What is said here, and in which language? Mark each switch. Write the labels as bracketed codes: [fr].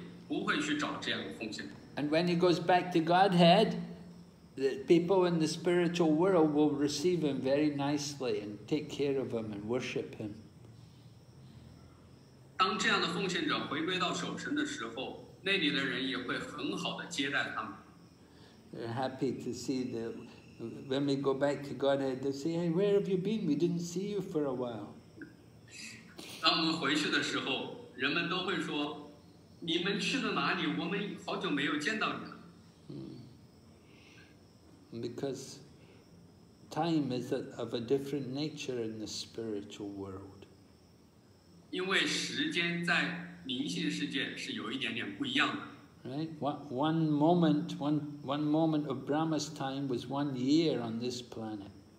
[en] And when he goes back to Godhead, the people in the spiritual world will receive him very nicely and take care of him and worship him. [zh] 当这样的奉献者回归到守神的时候，那里的人也会很好的接待他们。 [en] They're happy to see that when we go back to Godhead, they say, "Hey, where have you been? We didn't see you for a while." [zh] 当我们回去的时候，人们都会说，你们去了哪里？我们好久没有见到你了。 [en] Because time is of a different nature in the spiritual world. [zh] 因为时间在灵性世界是有一点点不一样的。 [en] Right, one moment of Brahma's time was 1 year on this planet.